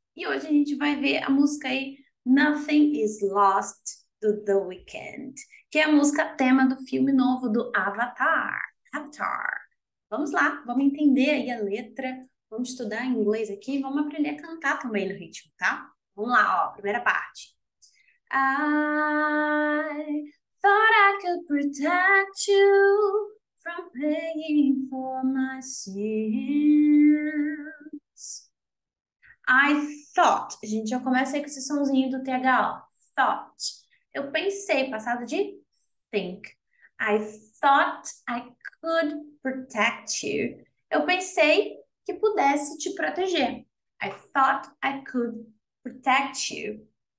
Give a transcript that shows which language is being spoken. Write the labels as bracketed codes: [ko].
[pt] E hoje a gente vai ver a música aí Nothing is Lost do The Weeknd, que é a música tema do filme novo do Avatar. Vamos lá, vamos entender aí a letra, vamos estudar inglês aqui, vamos aprender a cantar também no ritmo, tá? Vamos lá, ó, primeira parte. [en] I thought I could protect you from paying for my sins. I thought. [pt] A gente já começa aí com esse sonzinho do TH. Thought. Eu pensei, passado de think. [en] I thought I could protect you. [pt] Eu pensei que pudesse te proteger. [en] I thought I could protect you.